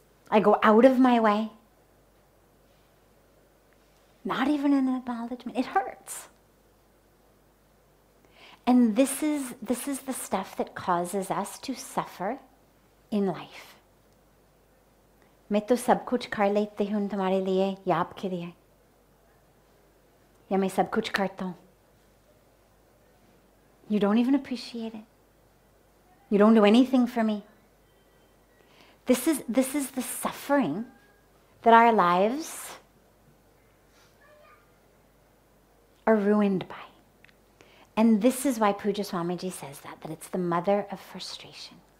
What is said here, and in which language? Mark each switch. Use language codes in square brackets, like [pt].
[en] I go out of my way. Not even an acknowledgement. It hurts. And this is the stuff that causes us to suffer in life. [hi] मैं तो सब कुछ कर लेती हूँ तुम्हारे लिए या आपके लिए, या मैं सब कुछ करता हूँ. [en] You don't even appreciate it. You don't do anything for me. This is the suffering that our lives are ruined by. And this is why Pooja Swamiji says that it's the mother of frustration.